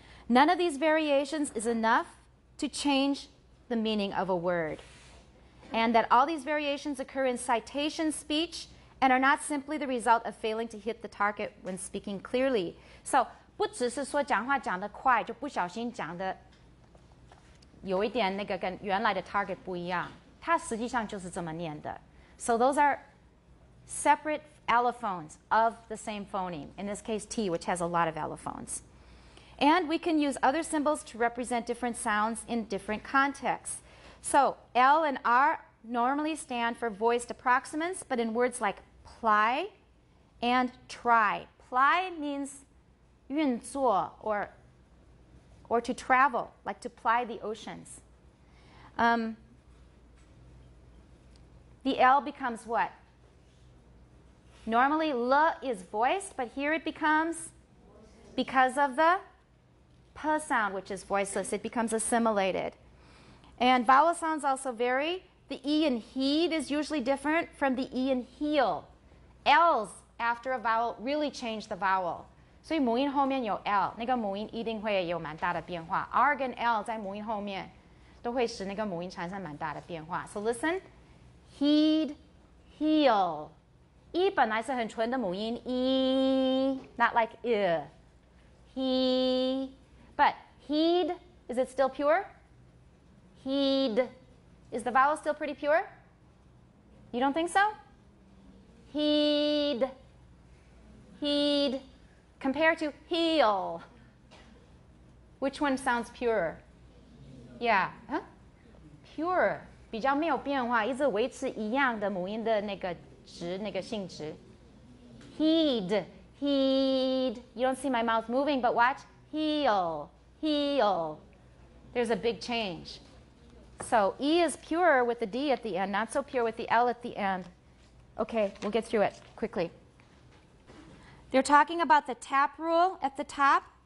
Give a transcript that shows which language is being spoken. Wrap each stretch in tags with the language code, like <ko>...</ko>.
<en>None of these variations is enough to change the meaning of a word. And that all these variations occur in citation speech and are not simply the result of failing to hit the target when speaking clearly.</en> <zh>So, 不只是说讲话讲得快,就不小心讲得有一点那个跟原来的target不一样,它实际上就是这么念的.</zh> <en>So those are separate allophones of the same phoneme, in this case T, which has a lot of allophones. And we can use other symbols to represent different sounds in different contexts. So L and R normally stand for voiced approximants, but in words like ply and try. Ply means 运作 or to travel, like to ply the oceans. The L becomes what? Normally L is voiced, but here it becomes because of the P sound, which is voiceless. It becomes assimilated. And vowel sounds also vary. The E in heed is usually different from the E in heel. L's after a vowel really change the vowel.</en> <zh>所以母音后面有L, 那个母音一定会有蛮大的变化. R 跟 L 在母音后面都会使那个母音产生蛮大的变化.</zh> <en>So listen, heed, heel.</en> <zh>E 本来是很纯的母音, E,</zh> <en>not like I. He, but heed, is it still pure? Heed. Is the vowel still pretty pure? You don't think so? Heed. Heed. Compare to heel. Which one sounds purer? Yeah. Huh? Pure.</en> <zh>比较没有变化,一直维持一样的母音的那个质,那个性质.</zh> <en>Heed. Heed. You don't see my mouth moving, but watch. Heel. Heel. There's a big change. So E is pure with the D at the end, not so pure with the L at the end. Okay, we'll get through it quickly. They're talking about the tap rule at the top.</en>